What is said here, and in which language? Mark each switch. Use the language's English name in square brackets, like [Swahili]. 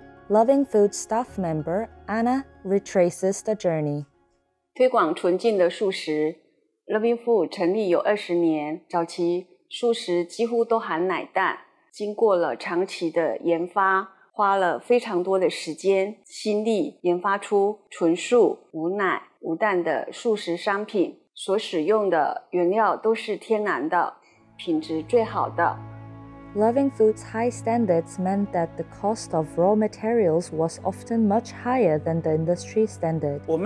[English] Loving Food staff member Anna retraces the journey. [Chinese] 推广纯净的素食, Loving Food 成立有20年, 早期素食几乎都含奶蛋, 经过了长期的研发, 花了非常多的时间、心力研发出纯素、无奶、无蛋的素食商品，所使用的原料都是天然的，品质最好的。Loving [English] Food's high standards meant that the cost of raw materials was often much higher than the industry standard.